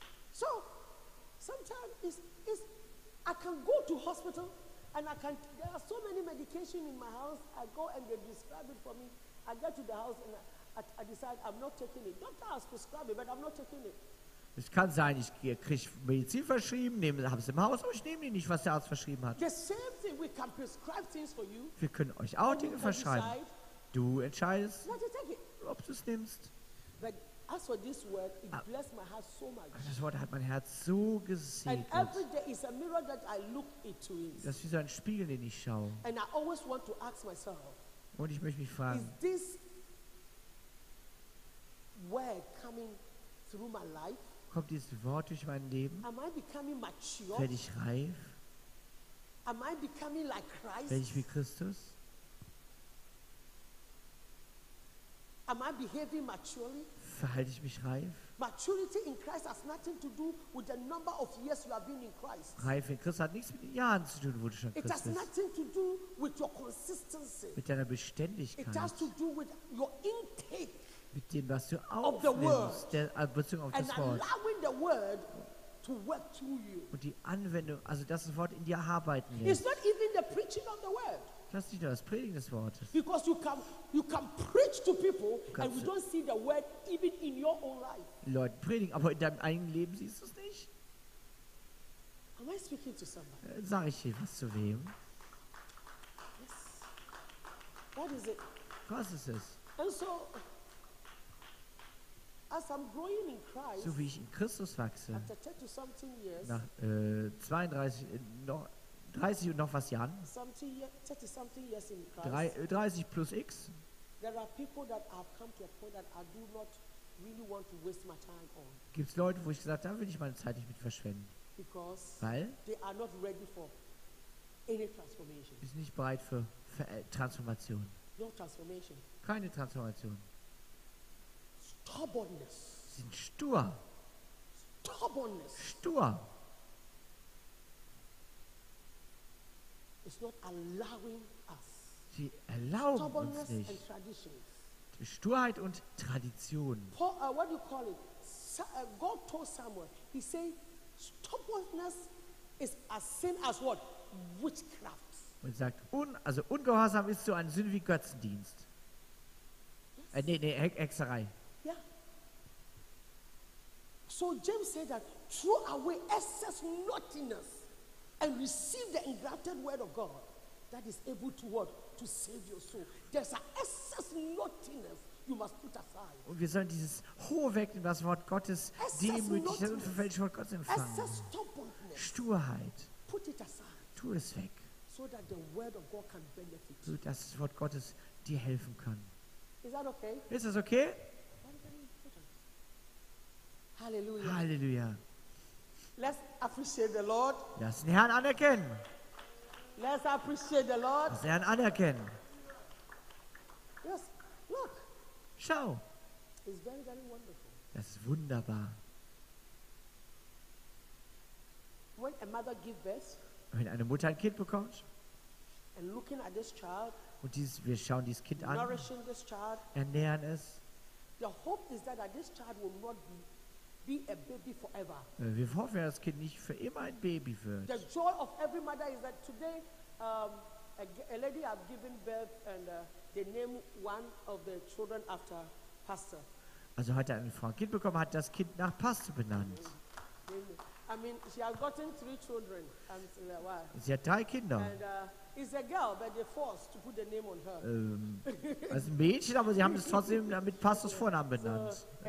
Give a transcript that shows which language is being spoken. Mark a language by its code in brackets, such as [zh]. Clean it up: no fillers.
[en] So, sometimes it's, I can go to hospital and I can, there are so many medication in my house, I go and they describe it for me, I get to the house and I decide I'm not taking it. Doctor has prescribed it, but I'm not taking it. [de] Es kann sein, ich kriege Medizin verschrieben, habe es im Haus, aber ich nehme die nicht, was der Arzt verschrieben hat. [en] The same thing, we can prescribe things for you. [de] Wir können euch auch Dinge verschreiben. [en] Decide, [de] du entscheidest, [en] not to take it. [de] Ob du es nimmst. [en] But as for this word, it blessed my heart so much. [de] Das Wort hat mein Herz so gesegnet. [en] And every day is a mirror that I look into it. [de] Das ist wie so ein Spiegel, den ich schaue. [en] And I always want to ask myself. [de] Und ich möchte mich fragen. [en] Is this word coming through my life? [de] Kommt dieses Wort durch mein Leben? [en] Am I becoming mature? [de] Werde ich reif? [en] Am I becoming like Christ? [de] Werde ich wie Christus? [en] Am I behaving maturely? [de] Verhalte ich mich reif? [en] Maturity in Christ has nothing to do with the number of years you have been in Christ. [de] Reife in Christus hat nichts mit den Jahren zu tun, wo du schon Christ [en] bist. It has nothing to do with your consistency. [de] Mit deiner Beständigkeit. [en] It has to do with your intake. [de] Mit dem, was du aufnimmst, der Bezug auf das Wort. [en] Allowing the word to work through you. [de] Und die Anwendung, also das Wort in dir arbeiten lässt. [en] It's not even the preaching of the word. [de] Das ist nicht nur das Predigen des Wortes. [en] Because you can preach to people and we don't see the word even in your own life. [de] Leute predigen, aber in deinem eigenen Leben siehst du es nicht. [en] Am I speaking to somebody? [de] Sag ich hier was zu wem? [en] Yes. What is it? [de] Was ist es? [en] And so, as I'm growing in Christ, [de] so wie ich in Christus wachse, [en] after 30 something years, [de] nach 30 und noch was Jahren, 30 plus X, [en] there are people that have come to a point that I do not really want to waste my time on. [de] Gibt's Leute, wo ich gesagt habe, da will ich meine Zeit nicht mit verschwenden. [en] Because [de] weil [en] they are not ready for any transformation. [de] Ist nicht bereit für Transformation. [en] No transformation. [de] Keine Transformation. [en] Stubbornness. [de] Sind stur. [en] Stubbornness. [de] Stur. [en] It's not allowing us. [de] Sie erlauben [en] stubbornness [de] uns nicht. [en] And traditions. [de] Die Sturheit und Tradition. [en] Paul, what do you call it? God told Samuel. He said, stubbornness is as sin as what? Witchcraft. [de] Und sagt, also Ungehorsam ist so ein Sünde wie Götzendienst. Yes. Hexerei. [en] So James said that throw away excess naughtiness and receive the engrafted word of God that is able to what? To save your soul. There's an excess naughtiness you must put aside. [de] Und wir sollen dieses hohe wegnehmen, das Wort Gottes, demütig und verfälschte Wort Gottes empfangen. [en] Excess stubbornness. [de] Sturheit. [en] Put it aside. [de] Tu es weg. [en] So that the word of God can benefit. [de] So dass das Wort Gottes dir helfen kann. [en] Is that okay? [de] Ist das okay? [en] Halleluja. [de] Halleluja. [en] Let's appreciate the Lord. [de] Lass den Herrn anerkennen. [en] Let's appreciate the Lord. [de] Lass den Herrn anerkennen. [en] Yes, look. [de] Schau. [en] It's very, very wonderful. [de] Das ist wunderbar. [en] When a mother gives birth, [de] wenn eine Mutter ein Kind bekommt, [en] and looking at this child, [de] und dieses, wir schauen dieses Kind an, [en] nourishing this child, [de] ernähren es, [en] the hope is that this child will not be a baby forever. [de] Wir hoffen, dass das Kind nicht für immer ein Baby wird. [en] The joy of every mother is that today a lady have given birth and they name one of the children after pastor. [de] Also heute eine Frau ein Kind bekommen, hat das Kind nach Pastor benannt. [en] I mean, she has gotten three children and [de] wow. Sie hat drei Kinder. [en] And it's a girl, but they're forced to put the name on her. [de] Also ein Mädchen, aber sie haben es trotzdem mit Pastors Vornamen benannt.